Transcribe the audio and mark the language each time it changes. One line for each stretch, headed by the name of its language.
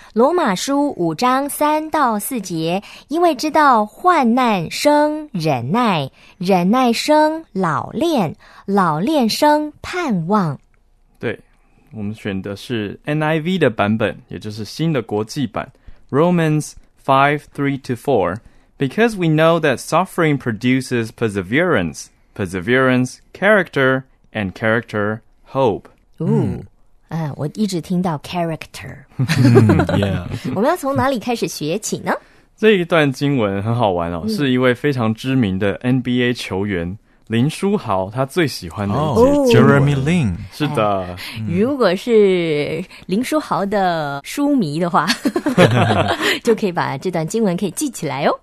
Chinese: 罗马书五章三到四节，因为知道患难生忍耐，忍耐生老练，老练生盼望。对，我们选的是 NIV 的版本，也就是新的国际版。
English: Romans 5:3-4 Because we know that suffering produces perseverance, perseverance, character, and character, hope.
Chinese: 我一直听到 character 。我们要从哪里开始学起呢？这一段经文很好玩哦，是一位非常知名的 NBA 球员林书豪，他最喜欢的一节经文、 Jeremy Lin 是的、如果是林书豪的书迷的话，就可以把这段经文可以记起来哦。